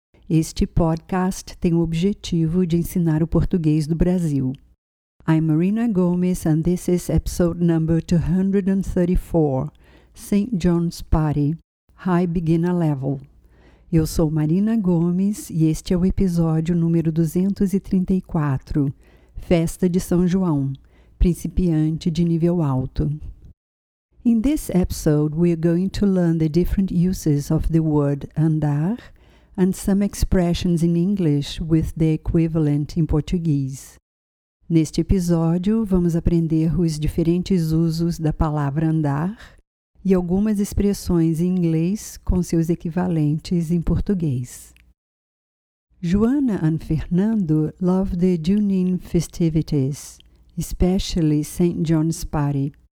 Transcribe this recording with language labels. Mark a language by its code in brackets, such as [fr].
[pt] Este podcast tem o objetivo de ensinar o português do Brasil. [en] I'm Marina Gomes and this is episode number 234, St. John's Party, High Beginner Level. [pt] Eu sou Marina Gomes e este é o episódio número 234, Festa de São João, Principiante de Nível Alto. [en] In this episode, we are going to learn the different uses of the word andar and some expressions in English with their equivalent in Portuguese. [pt] Neste episódio, vamos aprender os diferentes usos da palavra andar e algumas expressões em inglês com seus equivalentes em português. [en] Joana and Fernando love the Junin festivities, especially St. John's Party.